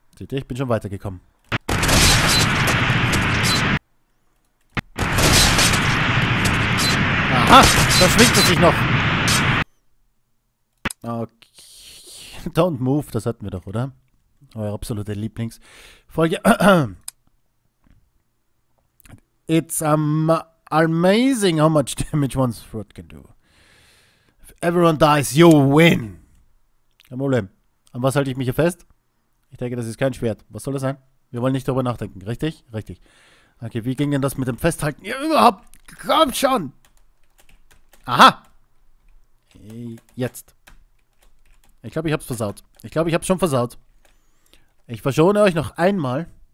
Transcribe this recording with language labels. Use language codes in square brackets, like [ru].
[de] Ich bin schon weitergekommen. Aha, da schwingt es sich noch. Okay. [en] Don't move, [de] das hatten wir doch, oder? Euer absoluter Lieblingsfolge. [en] It's amazing how much damage one's fruit can do. If everyone dies, you win. [de] Kein Problem. An was halte ich mich hier fest? Ich denke, das ist kein Schwert. Was soll das sein? Wir wollen nicht darüber nachdenken. Richtig? Richtig. Okay, wie ging denn das mit dem Festhalten? Ja, überhaupt! Komm schon! Aha! Jetzt. Ich glaube, ich hab's versaut. Ich glaube, ich hab's schon versaut. Ich verschone euch noch einmal.